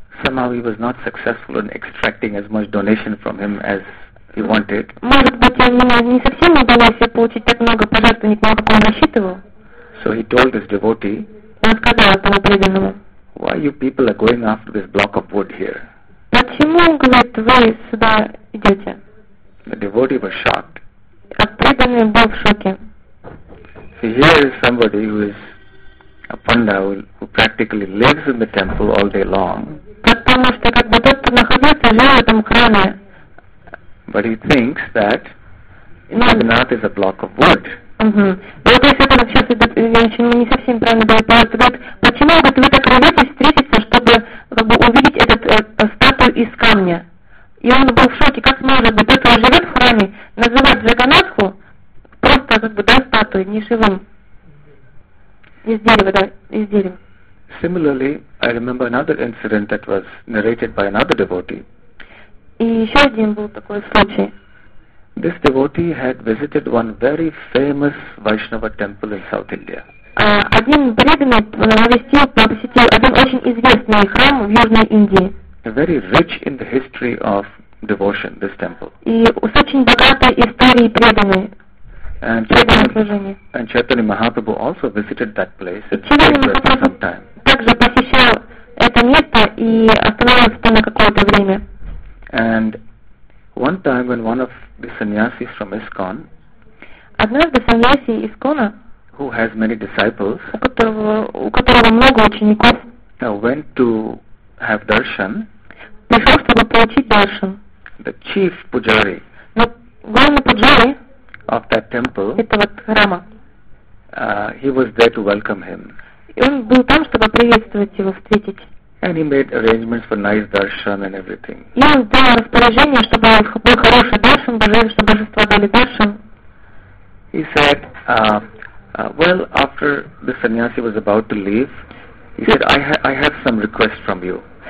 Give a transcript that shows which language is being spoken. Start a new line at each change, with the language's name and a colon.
English: Somehow he was not successful in extracting as much donation from him as he wanted.
Russian: Может быть, ему не совсем удалось получить так много пожертвований, как он рассчитывал.
English: So he told his devotee.
Russian: Он сказал этому преданному.
English: Why you people are going after this block of wood here?
Russian: Почему, говорит, вы сюда идете?
English: The devotee was shocked.
Russian: А преданный был в шоке.
English: So here is somebody who is a panda who practically lives in the temple all day long.
Russian: Потому что как бы тот, кто находится, жил в этом храме.
English: But he thinks that Jagannath is a block of wood.
Russian: Вот если это сейчас идет, я не совсем правильно даю понять, почему вот вы так рвётесь встретиться, чтобы как бы увидеть этот статую из камня? И он был в шоке, как может быть, кто живет в храме, называть Джаганнатху просто как бы да, статуей, не живым. Из дерева, да, из дерева.
English: Similarly, I remember another incident that was narrated by another devotee.
Russian: И еще один был такой случай.
English: This devotee had visited one very famous Vaishnava temple in South India.
Russian: Один преданный навестил, посетил один очень известный храм в Южной Индии.
English: Very rich in the history of devotion, this temple.
Russian: И с очень богатой историей преданной.
English: And Chaitanya Mahaprabhu also visited that place for some time.
Russian: Также посещал это место и останавливался там на какое-то время.
English: And one time when one of the sannyasis from ISKCON,
Russian: однажды саньяси из Кона,
English: who has many disciples,
Russian: у которого много учеников,
English: went to have darshan,
Russian: пришел, чтобы получить даршан.
English: The chief pujari,
Russian: но главный пуджари
English: of that temple,
Russian: этого храма,
English: he was there to welcome him.
Russian: И он был там, чтобы приветствовать его, встретить.
English: And he made arrangements for nice darshan and everything.
Russian: И он сделал распоряжение, чтобы был хороший даршан, чтобы божества дали даршан.
English: He said, well, after the sannyasi was about to leave, he said, I have some request from you.